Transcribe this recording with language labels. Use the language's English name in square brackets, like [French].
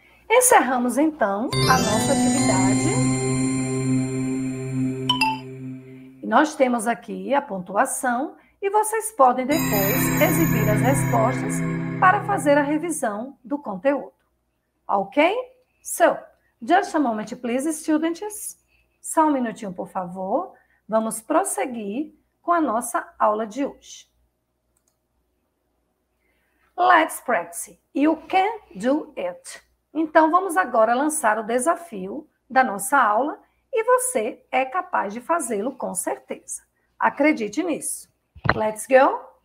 [Portuguese] Encerramos então a nossa atividade. Nós temos aqui a pontuação e vocês podem depois exibir as respostas para fazer a revisão do conteúdo. Ok? [English] So, just a moment, please, students. [Portuguese] Só um minutinho, por favor. Vamos prosseguir com a nossa aula de hoje. [English] Let's practice. You can do it. [Portuguese] Então, vamos agora lançar o desafio da nossa aula. E você é capaz de fazê-lo com certeza. Acredite nisso. [English] Let's go!